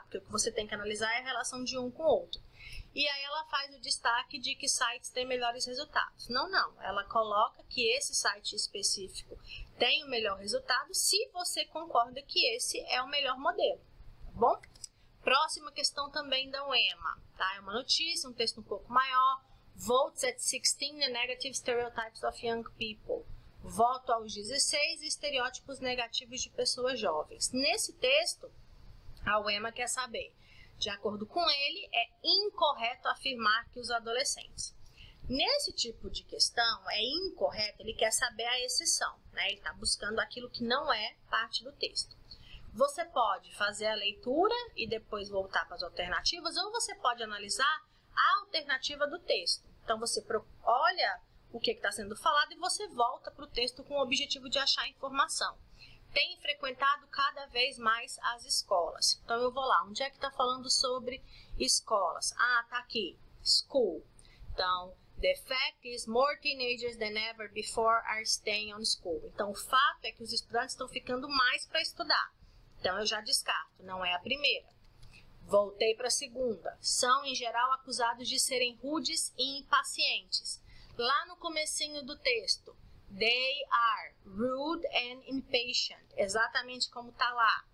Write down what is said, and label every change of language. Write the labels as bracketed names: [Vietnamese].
[Portuguese] Porque o que você tem que analisar é a relação de um com o outro. E aí ela faz o destaque de que sites têm melhores resultados. Não. Ela coloca que esse site específico tem o melhor resultado, se você concorda que esse é o melhor modelo, tá bom? Próxima questão também da UEMA, tá? É uma notícia, um texto um pouco maior. [English] Votes at 16, the negative stereotypes of young people. [Portuguese] Voto aos 16, estereótipos negativos de pessoas jovens. Nesse texto, a UEMA quer saber. De acordo com ele, é incorreto afirmar que os adolescentes. Nesse tipo de questão, é incorreto, ele quer saber a exceção, né? Ele está buscando aquilo que não é parte do texto. Você pode fazer a leitura e depois voltar para as alternativas, ou você pode analisar a alternativa do texto. Então, você olha o que está sendo falado e você volta para o texto com o objetivo de achar informação. Tem frequentado cada vez mais as escolas. Então, eu vou lá. Onde é que está falando sobre escolas? Ah, está aqui. School. [English] Então, the fact is more teenagers than ever before are staying on school. [Portuguese] Então, o fato é que os estudantes estão ficando mais para estudar. Então, eu já descarto. Não é a primeira. Voltei para a segunda. São, em geral, acusados de serem rudes e impacientes. Lá no comecinho do texto, [English] they are rude and impatient, [Portuguese] exatamente como está lá.